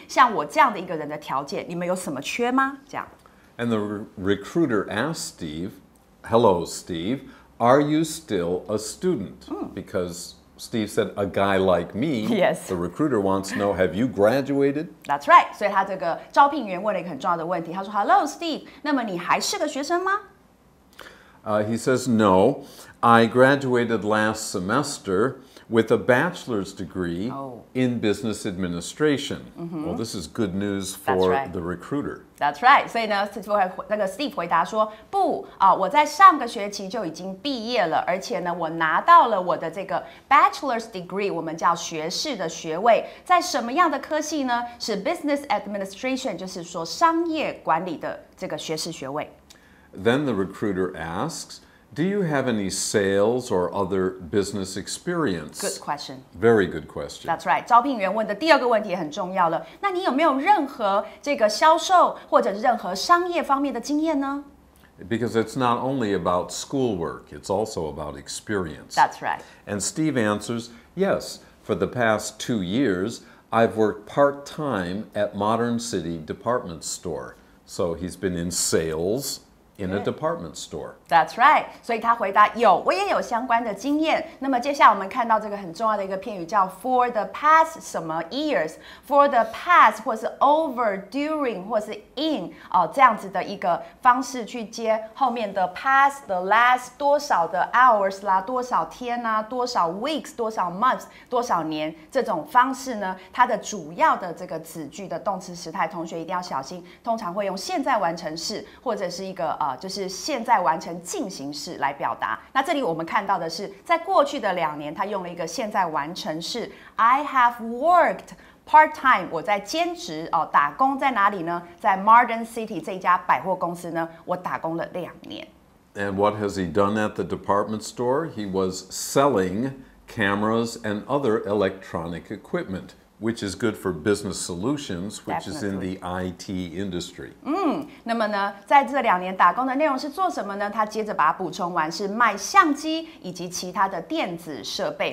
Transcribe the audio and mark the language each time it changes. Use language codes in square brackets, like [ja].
[zh] 像我这样的一个人的条件，你们有什么缺吗？这样。 [en] And the recruiter asked Steve, "Hello, Steve, are you still a student?" Because Steve said, "A guy like me." Yes. The recruiter wants to know, "Have you graduated?" That's right. [zh] 所以他这个招聘员问了一个很重要的问题。他说 "Hello, Steve, 那么你还是个学生吗？" [en] He says, "No, I graduated last semester." With a bachelor's degree in business administration. Mm-hmm. Well, this is good news for the recruiter. That's right. [zh] 所以呢，那个 Steve 回答说，不，我在上个学期就已经毕业了，而且呢，我拿到了我的这个 bachelor's degree， 我们叫学士的学位，在什么样的科系呢？是 business administration， 就是说商业管理的这个学士学位。 [en] Then the recruiter asks,Do you have any sales or other business experience? Good question. Very good question. That's right. [zh] 招聘员问的第二个问题也很重要了。那你有没有任何这个销售或者任何商业方面的经验呢？ [en] Because it's not only about schoolwork, it's also about experience. That's right. And Steve answers, yes, for the past 2 years, I've worked part-time at Modern City Department Store. So he's been in sales. In a department store. That's right. [zh] 所以他回答有，我也有相关的经验。那么接下来我们看到这个很重要的一个片语叫 for the past 什么 years, for the past 或是 over, during 或是 in 哦这样子的一个方式去接后面的 past, the last 多少的 hours 啦，多少天啊，多少 weeks, 多少 months, 多少年这种方式呢？它的主要的这个子句的动词时态，同学一定要小心，通常会用现在完成式或者是一个。就是现在完成进行式来表达。那这里我们看到的是，在过去的两年，他用了一个现在完成式 ， [en] I have worked part time， [zh] 我在兼职哦，打工在哪里呢？在 Modern City 这家百货公司呢，我打工了两年。 [en] And what has he done at the department store? He was selling cameras and other electronic equipment. Which is good for business solutions, which is in the IT industry. [zh] 那么呢，在这两年打工的内容是做什么呢？他接着把它补充完，是卖相机以及其他的电子设备。